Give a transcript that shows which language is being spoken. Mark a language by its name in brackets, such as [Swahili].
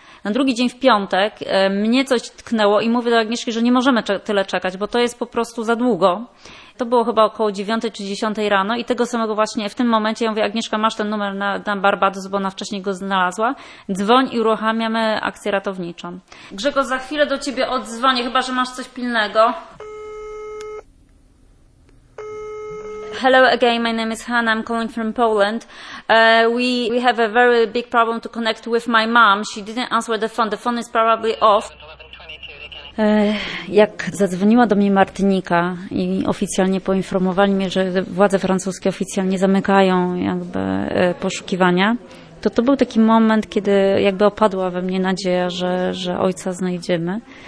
[Polish] Na drugi dzień w piątek mnie coś tknęło i mówię do Agnieszki, że nie możemy tyle czekać, bo to jest po prostu za długo. To było chyba około 9 czy 10 rano i tego samego właśnie w tym momencie ja mówię, Agnieszka, masz ten numer na Barbados, bo ona wcześniej go znalazła. Dzwoń i uruchamiamy akcję ratowniczą. Grzegorz, za chwilę do ciebie odzwonię, chyba że masz coś pilnego. [English] Hello again, my name is Hannah, I'm calling from Poland. We have a very big problem to connect with my mom. She didn't answer the phone is probably off. [Polish] Jak zadzwoniła do mnie Martynika i oficjalnie poinformowali mnie, że władze francuskie oficjalnie zamykają jakby poszukiwania, to był taki moment, kiedy jakby opadła we mnie nadzieja, że ojca znajdziemy.